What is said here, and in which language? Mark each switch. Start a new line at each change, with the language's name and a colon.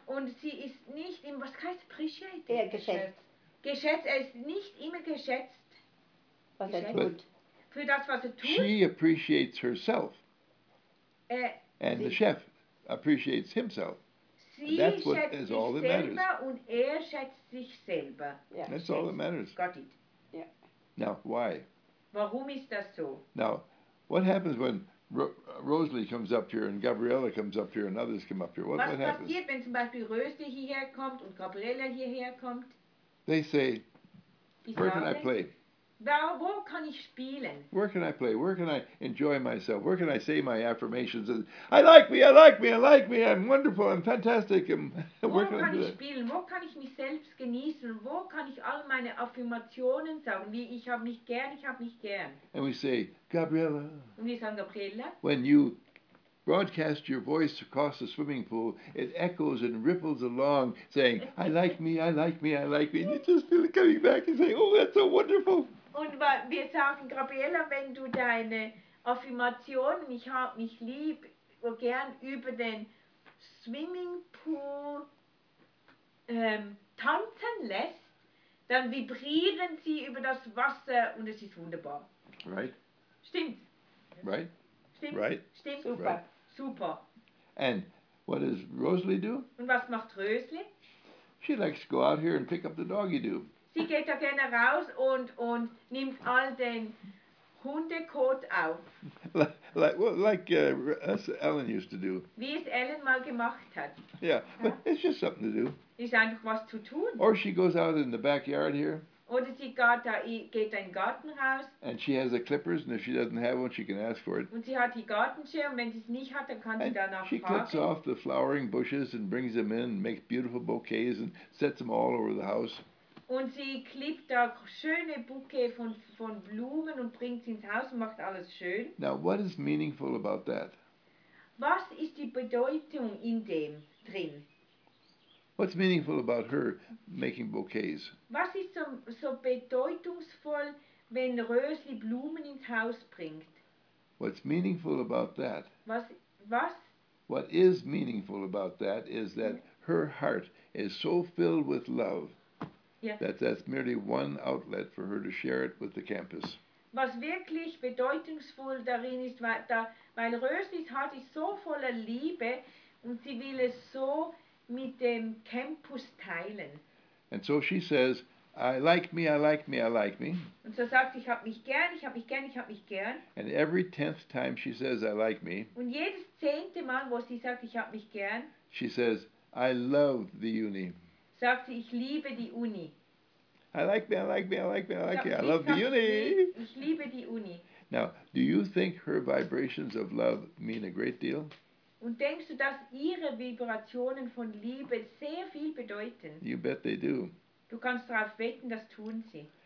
German: Und sie ist nicht immer, was heißt appreciated? Ja, geschätzt. Geschätzt, er ist nicht immer geschätzt, was geschätzt. Er tut. Für das, was er tut.
English: She appreciates herself. And the chef appreciates himself.
German: Sie schätzt sich selber
English: matters.
German: Und er schätzt sich selber.
English: Yeah. That's all that matters. Got it. Yeah. Now, why?
German: Warum ist das so?
English: Now, what happens when Rosalie comes up here and Gabriella comes up here and others come up here? What happens?
German: Was passiert, wenn zum Beispiel Rosalie hierher kommt und Gabriella hierher kommt?
English: They say, where can I play?
German: Wo kann ich spielen?
English: Where can I play? Where can I enjoy myself? Where can I say my affirmations? I like me, I like me, I like me. I'm wonderful, I'm fantastic.
German: Wo kann ich spielen? Wo kann ich mich selbst genießen? Wo kann ich all meine Affirmationen sagen? Wie ich habe mich gern, ich habe mich gern.
English: And we say, Gabriella.
German: Und wir sagen, Gabriella.
English: When you broadcast your voice across the swimming pool, it echoes and ripples along, saying, I like me, I like me, I like me. And you just feel it coming back and saying, oh, that's so wonderful.
German: Und wir sagen, Gabriella, wenn du deine Affirmationen, ich hab mich lieb, gern über den swimming pool tanzen lässt, dann vibrieren sie über das Wasser und es ist wunderbar.
English: Right.
German: Stimmt.
English: Right.
German: Stimmt.
English: Right.
German: Stimmt. Super.
English: Right.
German: Super.
English: And what does Rosalie do?
German: Und was macht Rosalie?
English: She likes to go out here and pick up the doggy do.
German: Sie geht da gerne raus und nimmt all den Hundekot auf.
English: Like Ellen used to do.
German: Wie es Ellen mal gemacht hat.
English: Yeah, but it's just something to do.
German: Ist einfach was zu tun.
English: Or she goes out in the backyard here.
German: Oder sie geht in den Garten raus.
English: And she has the clippers, and if she doesn't have one, she can ask for it.
German: Und sie hat die Gartenschere, und wenn sie es nicht hat, dann kann
English: and
German: sie danach
English: she
German: fragen.
English: She clips off the flowering bushes and brings them in, and makes beautiful bouquets and sets them all over the house.
German: Und sie klippt da schöne Bouquet von Blumen und bringt sie ins Haus und macht alles schön.
English: Now, what is meaningful about that?
German: Was ist die Bedeutung in dem drin?
English: What's meaningful about her making bouquets?
German: Was ist so bedeutungsvoll, wenn Rösli Blumen ins Haus bringt?
English: What's meaningful about that?
German: Was?
English: What is meaningful about that is that her heart is so filled with love yeah. that that's merely one outlet for her to share it with the campus.
German: was wirklich bedeutungsvoll darin ist, weil Rösis Herz ist so voller Liebe und sie will es so mit dem Campus teilen.
English: And so she says, I like me, I like me, I like me.
German: Und so sagt, ich hab mich gern, ich hab mich gern, ich hab mich gern.
English: And every tenth time she says, I like me.
German: Und jedes zehnte Mal, wo sie sagt, ich hab mich gern.
English: She says, I love the uni.
German: Sagt sie, ich liebe die Uni.
English: I like me, I like me, I like me, I like you. I love the uni.
German: Ich liebe die Uni.
English: Now, do you think her vibrations of love mean a great deal?
German: Und denkst du, dass ihre Vibrationen von Liebe sehr viel bedeuten?
English: You bet they do.
German: Du kannst darauf wetten, das tun sie.